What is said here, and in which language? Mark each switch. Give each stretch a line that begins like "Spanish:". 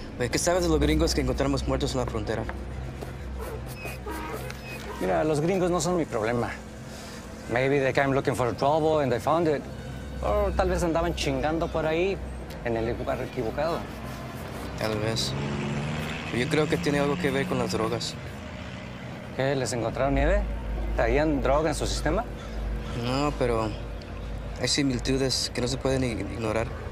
Spanish: ¿Qué sabes de los gringos que encontramos muertos en la frontera? Mira, los gringos no son mi problema.
English: Maybe they came looking for trouble and they found it.
Spanish: O tal vez andaban chingando por ahí en el lugar equivocado. Tal vez. Pero yo creo que tiene algo que ver con las drogas. ¿Qué? ¿Les encontraron nieve? ¿Traían droga en su sistema? No, pero hay similitudes que no se pueden ignorar.